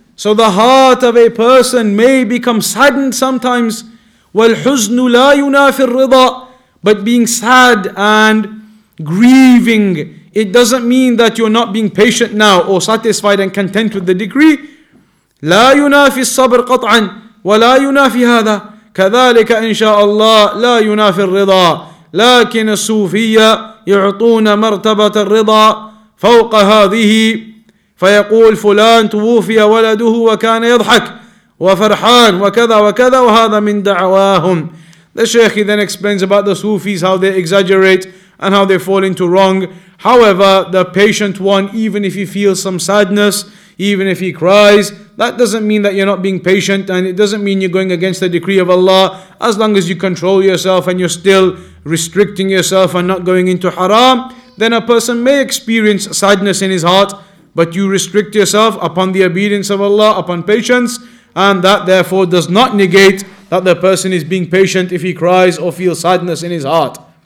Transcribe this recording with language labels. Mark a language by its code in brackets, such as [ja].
[en] So the heart of a person may become saddened sometimes. [ar] وَالْحُزْنُ لَا يُنَافِ الرِّضَى. [en] But being sad and grieving, it doesn't mean that you're not being patient now or satisfied and content with the decree. [ar] لَا يُنَافِ الصَّبْرِ قَطْعًا وَلَا يُنَافِ هَذَا كَذَلِكَ إِنْ شَاءَ اللَّهُ لَا يُنَافِ الرِّضَى لَكِنَ السُّوفِيَّةِ يُعْطُونَ مَرْتَبَةَ الرِّضَى فَوْقَ هَذِهِ فيقول فلان توفي ولده وكان يضحك وفرحان وكذا وكذا وهذا من دعواهم. [en] The Shaykh then explains about the Sufis, how they exaggerate and how they fall into wrong. However, the patient one, even if he feels some sadness, even if he cries, That doesn't mean that you're not being patient, and it doesn't mean you're going against the decree of Allah. As long as you control yourself and you're still restricting yourself and not going into haram, then a person may experience sadness in his heart, but you restrict yourself upon the obedience of Allah, upon patience, and that therefore does not negate that the person is being patient if he cries or feels sadness in his heart.